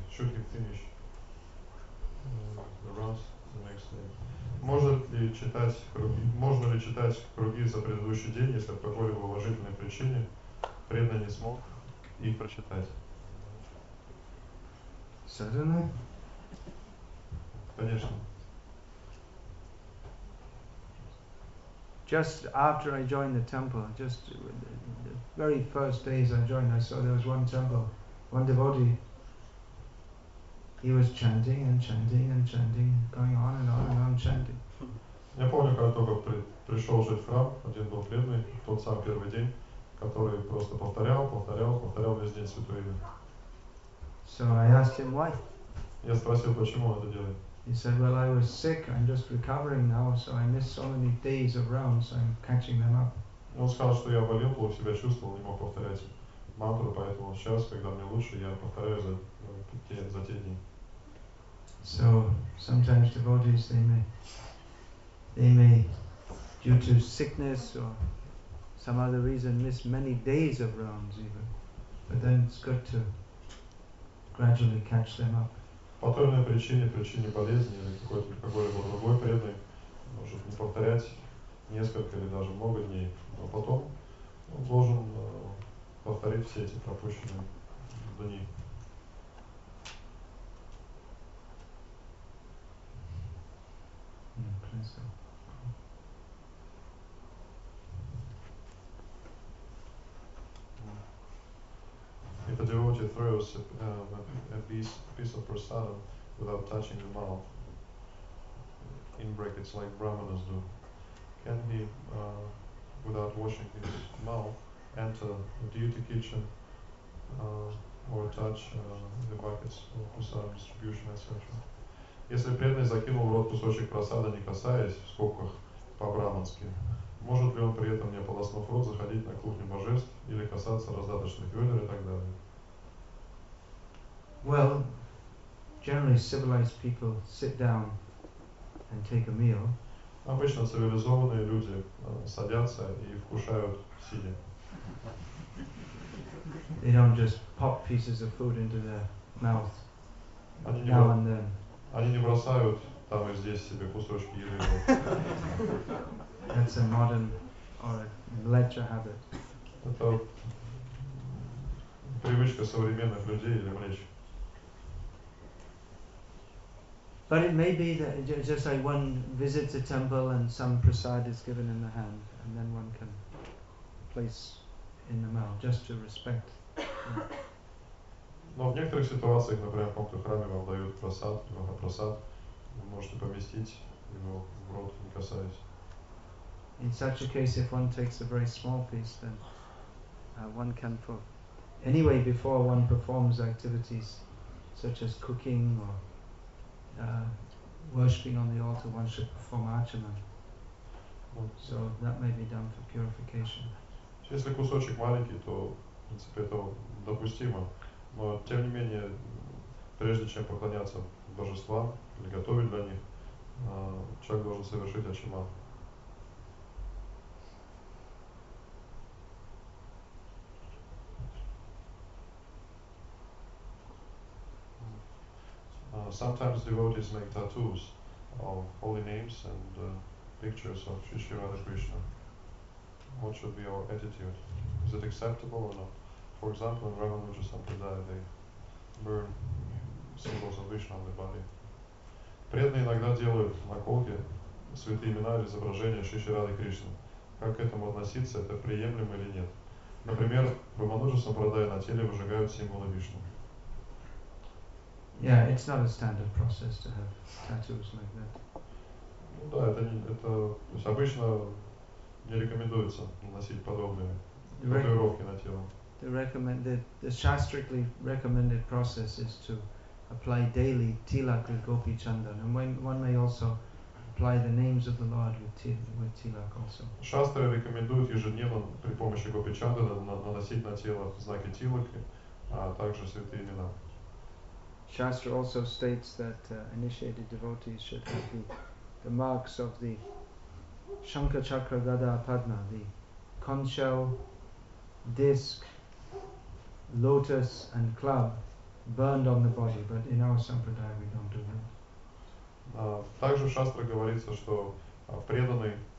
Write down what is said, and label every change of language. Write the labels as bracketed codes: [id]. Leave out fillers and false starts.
[en] Should he finish the rounds the next day? [ru] Можно ли читать круги за предыдущий день, если по какой-либо уважительной причине преданный не смог их прочитать? [en] Certainly. [ru] Конечно. [en] Just after I joined the temple, just the very first days I joined, I saw there was one temple, one devotee. He was chanting and chanting and chanting, going on and on and on chanting. [ru] Я помню, когда только пришел жить в храм, один был преданный, тот самый первый день, который просто повторял весь день святое имя. [en] So I asked him why. [ru] Я спросил, почему он это делает. [en] He said, well, I was sick, I'm just recovering now, so I missed so many days of rounds, so I'm catching them up. [ru] И он сказал, что я болел, плохо себя чувствовал, не мог повторять мантру, поэтому сейчас, когда мне лучше, я повторяю за те дни. [en] So sometimes devotees they may due to sickness or some other reason miss many days of rounds even, but then it's good to gradually catch them up. [ru] По той или иной причине болезни или какой-либо другой преданный может не повторять несколько или даже много дней, но потом он должен повторить все эти пропущенные дни. [en] If a devotee throws a piece of prasadam without touching the mouth, in brackets like brahmanas do, can he, without washing his mouth, enter the deity kitchen or touch the buckets of prasadam distribution, etc.? [ru] Если преданный закинул в рот кусочек просада, не касаясь, в скобках, по-брамански, может ли он при этом, не полоснув рот, заходить на кухню божеств или касаться раздаточных ведер и так далее? [en] Well, generally civilized people sit down and take a meal. [ru] Обычно цивилизованные люди садятся и вкушают сидя. [en] They don't just pop pieces of food into their mouth now and then. [ru] Они не бросают там и здесь себе кусочки еды. [en] That's a modern or a mlecha habit. [ru] Это привычка современных людей или млечь. [en] But it may be that it's just like one visits a temple and some prasad is given in the hand, and then one can place in the mouth just to respect. [ru] Но в некоторых ситуациях, например, в каком-то храме вам дают просад, немного просад, вы можете поместить его в рот, не касаясь. [en] In such a case, if one takes a very small piece, then one can put. Anyway, before one performs activities such as cooking or worshipping on the altar, one should perform archana. So that may be done for purification. [ru] Если кусочек маленький, то, в принципе, это допустимо. Но, тем не менее, прежде чем поклоняться божествам или готовить для них, человек должен совершить ачиман. [en] Sometimes devotees make tattoos of holy names and pictures of Sri Sri Radha Krishna. What should be our attitude? Is it acceptable or not? For example, in Ramanuja Sampradaya, they burn symbols of Vishnu on the body. [ru] Преданные иногда делают наколки, святые имена или изображения Шри Шри Рады Кришны. Как к этому относиться, это приемлемо или нет? Например, в Ramanuja Sampradaya на теле выжигают символы Вишну. [en] Yeah, it's not a standard process to have tattoos like that. [ru] Ну да, это то есть обычно не рекомендуется наносить подобные татуировки на тело. [en] The shastrically recommended process is to apply daily tilak with Gopi Chandan, and one may also apply the names of the Lord with tilak also. [ru] Шастры рекомендуют ежедневно при помощи Гопи Чандана наносить на тело знаки тилаки, а также святые имена. [en] Shastra also states that initiated devotees should have the marks of the Shankha Chakra Gada Padma, the conch shell, disc, lotus and club burned on the body, but in our sampradaya we don't do that. [ru] Также в шастре говорится, что преданный